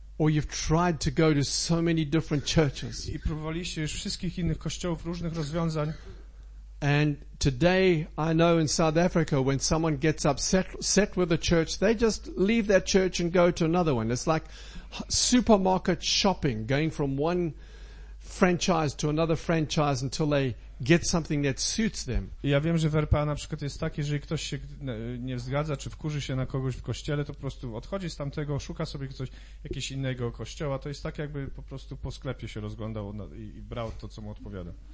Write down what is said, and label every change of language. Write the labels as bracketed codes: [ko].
[en] Or you've tried to go to so many different churches. [pl] I próbowaliście już wszystkich innych kościołów, różnych rozwiązań. [en] And today I know in South Africa when someone gets upset with a church, they just leave that church and go to another one. It's like supermarket shopping, going from one franchise to another franchise until they get something that suits them. [pl] Ja wiem, że w RPA na przykład jest tak, jeżeli ktoś się nie zgadza, czy wkurzy się na kogoś w kościele, to po prostu odchodzi z tamtego, szuka sobie coś, jakiegoś innego kościoła. To jest tak, jakby po prostu po sklepie się rozglądał i brał to, co mu odpowiada.